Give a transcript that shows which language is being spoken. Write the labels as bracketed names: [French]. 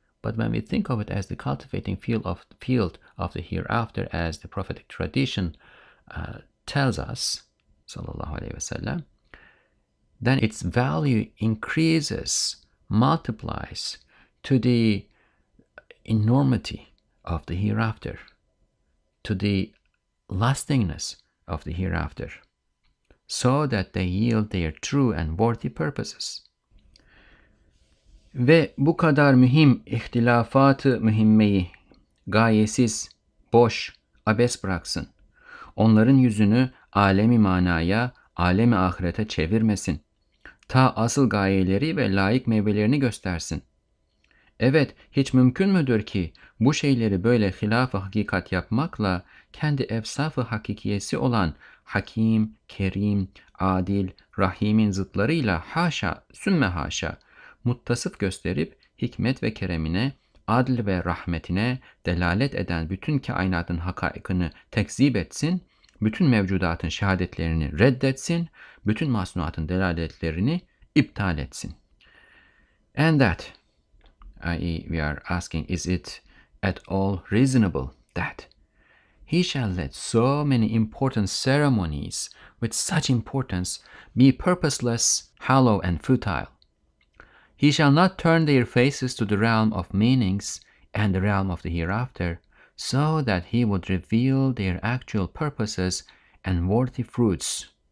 [English] But when we think of it as the cultivating field of the hereafter, as the prophetic tradition tells us, sallallahu alaihi wasallam, then its value increases, multiplies to the enormity of the hereafter, to the lastingness of the hereafter, so that they yield their true and worthy purposes. [Turkish] Ve bu kadar mühim ihtilafatı mühimmeyi gayesiz, boş, abes bıraksın. Onların yüzünü alemi manaya, alemi ahirete çevirmesin. Ta asıl gayeleri ve layık meyvelerini göstersin. Evet, hiç mümkün müdür ki bu şeyleri böyle hilaf-ı hakikat yapmakla kendi efsaf-ı hakikiyesi olan Hakim, Kerim, Adil, Rahim'in zıtlarıyla haşa, sümme haşa, muttasıf gösterip hikmet ve keremine, adl ve rahmetine delalet eden bütün kainatın hakaikını tekzip etsin, bütün mevcudatın şehadetlerini reddetsin, bütün masnuatın delaletlerini iptal etsin. [English] And that, i.e. we are asking, is it at all reasonable that he shall let so many important ceremonies with such importance be purposeless, hollow, and futile? He shall not turn their faces to the realm of meanings and the realm of the hereafter, so that he would reveal their actual purposes and worthy fruits.